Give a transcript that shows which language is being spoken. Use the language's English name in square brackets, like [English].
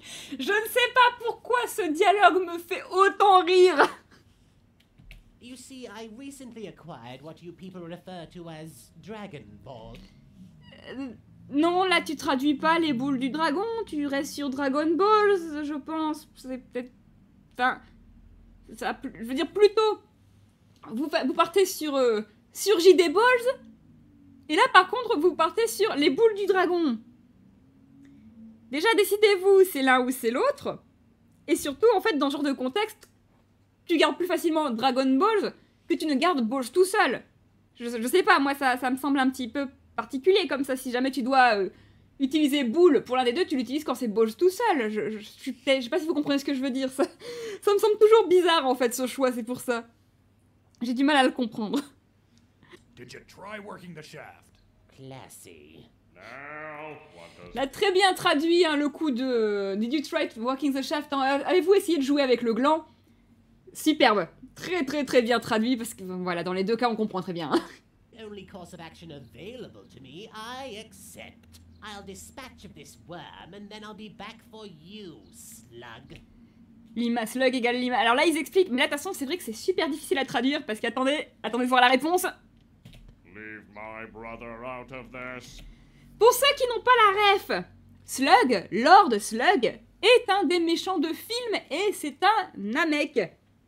[French] Je ne sais pas pourquoi ce dialogue me fait autant rire. [English] You see, I recently acquired what you people refer to as Dragon Ball. [French] Non, là, tu traduis pas les boules du dragon, tu restes sur Dragon Balls, je pense. C'est peut-être... Enfin... Ça, je veux dire, plutôt... Vous partez sur... sur JD Balls. Et là, par contre, vous partez sur les boules du dragon. Déjà, décidez-vous, c'est l'un ou c'est l'autre. Et surtout, en fait, dans ce genre de contexte, tu gardes plus facilement Dragon Balls que tu ne gardes Balls tout seul. Je sais pas, moi, ça me semble un petit peu... particulier comme ça, si jamais tu dois utiliser boule pour l'un des deux, tu l'utilises quand c'est balls tout seul. Je sais pas si vous comprenez ce que je veux dire, ça me semble toujours bizarre en fait ce choix, c'est pour ça. J'ai du mal à le comprendre. [English] Did you try working the shaft? Classy. Now, what does... [French] Là, très bien traduit hein, le coup de [English] Did you try working the shaft? [French] Avez-vous essayé de jouer avec le gland? Superbe, très très très bien traduit parce que voilà, dans les deux cas on comprend très bien. Hein. [English] Only course of action available to me, I accept. I'll dispatch of this worm and then I'll be back for you, slug. [French] Lima, slug égale lima. Alors là, ils expliquent, mais là, de toute façon, c'est vrai que c'est super difficile à traduire parce qu'attendez de voir la réponse. [English] Leave my brother out of this. [French] Pour ceux qui n'ont pas la ref, Slug, Lord Slug, est un des méchants de film et c'est un Namek.